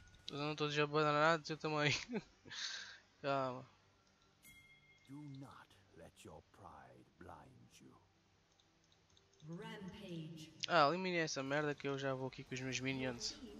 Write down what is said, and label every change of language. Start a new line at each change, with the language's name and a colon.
Portuguese: Eu não estou já abandonado, eu também. Calma.
English: Do not let your pride blind you. Rampage.
Portuguese: Ah, elimine essa merda que eu já vou aqui com os meus minions.